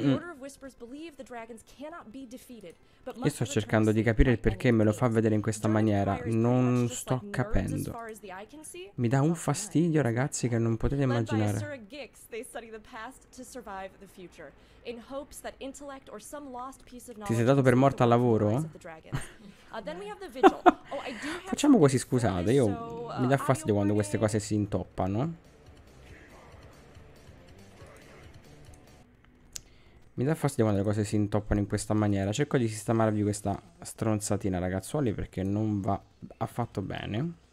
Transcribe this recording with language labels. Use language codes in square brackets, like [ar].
[en] The Order of Whispers believe the dragons cannot be defeated, but [it] io sto cercando di capire il perché me lo fa vedere in questa maniera. Non sto capendo. Mi dà un fastidio, ragazzi, che non potete immaginare. [en] Led by a Sir Gix, they study the past to survive the future, in hopes that intellect or some lost piece of knowledge. [it] Ti sei dato per morto al lavoro? [en] Then we have the vigil. Oh, I do have [it] facciamo così, scusate, io mi dà fastidio quando queste cose si intoppano. Mi dà fastidio quando le cose si intoppano in questa maniera. Cerco di sistemarvi questa stronzatina, ragazzuoli, perché non va affatto bene.